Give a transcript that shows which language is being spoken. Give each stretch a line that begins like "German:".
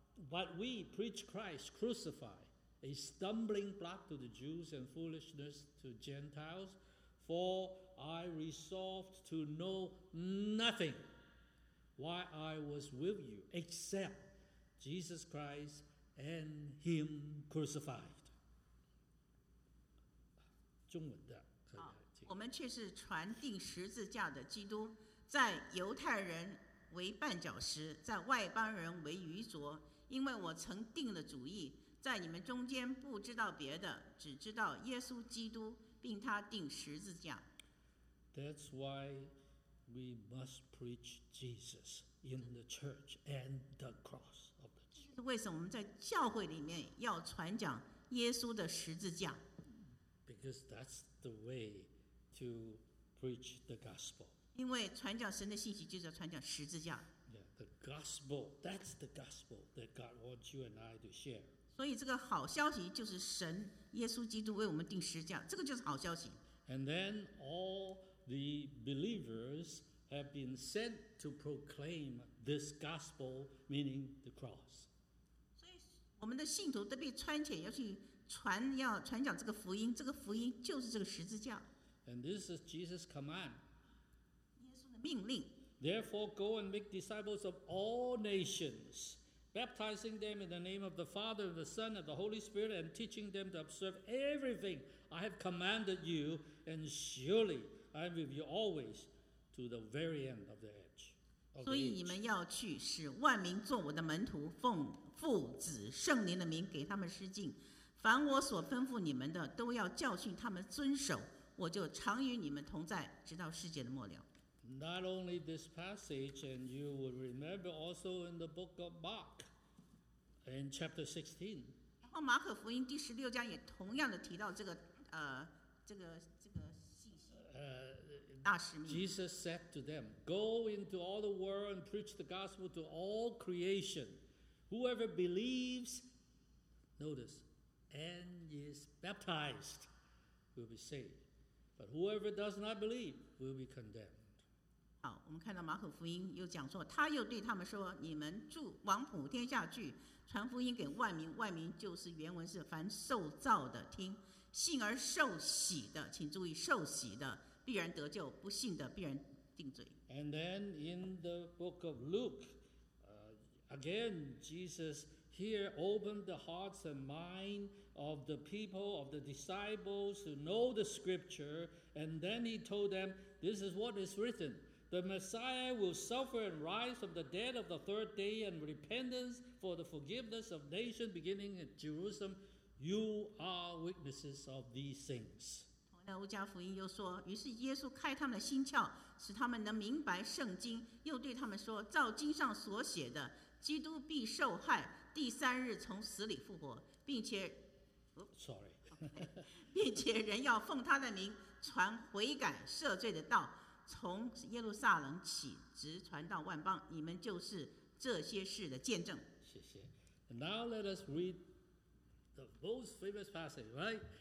English: But we preach Christ crucified. A stumbling block to the Jews and foolishness to Gentiles, for I resolved to know nothing while I was with you except Jesus Christ and Him crucified.
Chinese: 中文的，我们却是传定十字架的基督，在犹太人为绊脚石，在外邦人为愚拙，因为我曾定了主意。在你们中间不知道别的，只知道耶稣基督，并他钉十字架。
English: That's why we must preach Jesus in the church and the cross of the church.
Chinese: 为什么我们在教会里面要传讲耶稣的十字架
English: ？Because that's the way to preach the gospel.
Chinese: 因为传讲神的信息就是要传讲十字架。
English: Yeah, the gospel. That's the gospel that God wants you and I to share.
Chinese: 所以这个好消息就是神耶稣基督为我们钉十字架，这个就是好消息。
English: And then all the believers have been sent to proclaim this gospel, meaning the cross.
Chinese: 所以我们的信徒都被差遣要去传，要传讲这个福音。这个福音就是这个十字架。
English: And this is Jesus' command.
Chinese: 耶稣的命令。
English: Therefore, go and make disciples of all nations. Baptizing them in the name of the Father, the Son, and the Holy Spirit, and teaching them to observe everything I have commanded you, and surely I am with you always to the very end of the age.
Chinese: 所以你们要去，使万民做我的门徒，奉父、子、圣灵的名给他们施浸。凡我所吩咐你们的，都要教训他们遵守。我就常与你们同在，直到世界的末了。
English: Not only this passage, and you will remember also in the book of Mark, in chapter 16.
Chinese: 然后马可福音第十六章也同样的提到这个这个细细大使命。
English: Jesus said to them, "Go into all the world and preach the gospel to all creation. Whoever believes, notice, and is baptized, will be saved. But whoever does not believe, will be condemned."
Chinese: 好，我们看到马可福音又讲说，他又对他们说：“你们住往普天下去，传福音给万民。万民就是原文是凡受造的听，信而受洗的，请注意，受洗的必然得救，不信的必然定罪。”
English: And then in the book of Luke, again Jesus here opened the hearts and mind of the people of the disciples who know the scripture, and then he told them, "This is what is written." The Messiah will suffer and rise from the dead of the third day, and repentance for the forgiveness of nations beginning at Jerusalem. You are witnesses of these things.
Chinese: 那路加福音又说，于是耶稣开他们的心窍，使他们能明白圣经，又对他们说，照经上所写的，基督必受害，第三日从死里复活，并且，并且人要奉他的名传悔改赦罪的道。从耶路撒冷起，直传到万邦，你们就是这些事的见证。谢谢。
English: Now let us read the most famous passage, right?